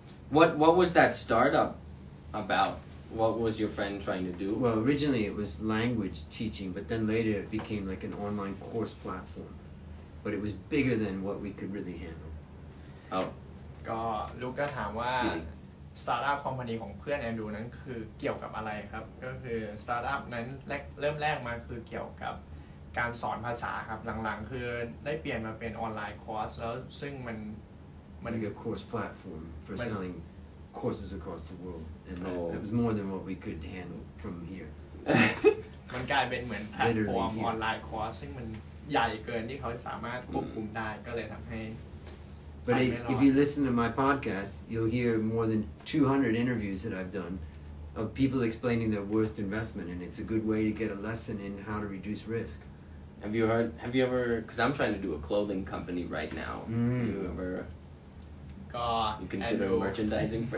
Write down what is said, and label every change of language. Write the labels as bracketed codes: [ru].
[en] What was that startup about? What was your friend trying to do? Well, originally it was language teaching, but then later it became like an online course platform. But it was bigger than what we could really handle. Oh. [th] ก็ลูกก็ถามว่าสตาร์ทอัพคอมพานีของเพื่อนแอนดรูนั้นคือเกี่ยวกับอะไรครับก็คือสตาร์ทอัพนั้นแรกเริ่มแรกมาคือเกี่ยวกับการสอนภาษาครับหลังๆคือได้เปลี่ยนมาเป็นออนไลน์คอร์สแล้วซึ่งมัน เป็น [en] course platform for selling courses across the world and that was more than what we could handle from here [th] มันกลายเป็นเหมือนแพลตฟอร์มออนไลน์คอร์สซึ่งมันใหญ่เกินที่เขาสามารถควบคุมได้ก็เลยทำให้ [en] But if you listen to my podcast, you'll hear more than 200 interviews that I've done of people explaining their worst investment, and it's a good way to get a lesson in how to reduce risk. Have you ever, because I'm trying to do a clothing company right now, have you ever consider merchandising for